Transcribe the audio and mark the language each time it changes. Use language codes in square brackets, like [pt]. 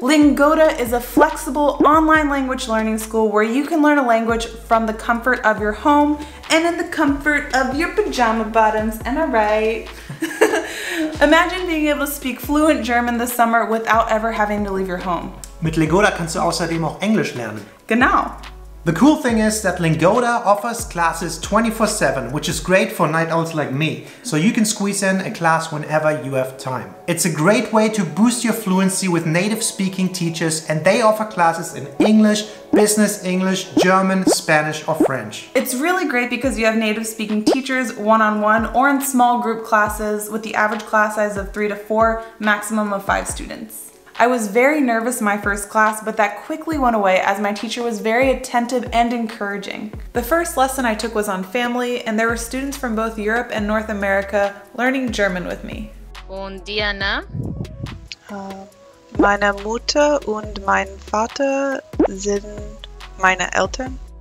[en] Lingoda is a flexible online language learning school where you can learn a language from the comfort of your home and in the comfort of your pajama bottoms. Am I right? Imagine being able to speak fluent German this summer without ever having to leave your home. [de] Mit Lingoda kannst du außerdem auch Englisch lernen. Genau. [en] The cool thing is that Lingoda offers classes 24/7, which is great for night owls like me, so you can squeeze in a class whenever you have time. It's a great way to boost your fluency with native speaking teachers, and they offer classes in English, business English, German, Spanish, or French. It's really great because you have native speaking teachers one-on-one or in small group classes with the average class size of 3 to 4, maximum of 5 students. I was very nervous in my first class, but that quickly went away as my teacher was very attentive and encouraging. The first lesson I took was on family, and there were students from both Europe and North America learning German with me. [de] Und Diana? Meine Mutter und mein Vater sind meine Eltern.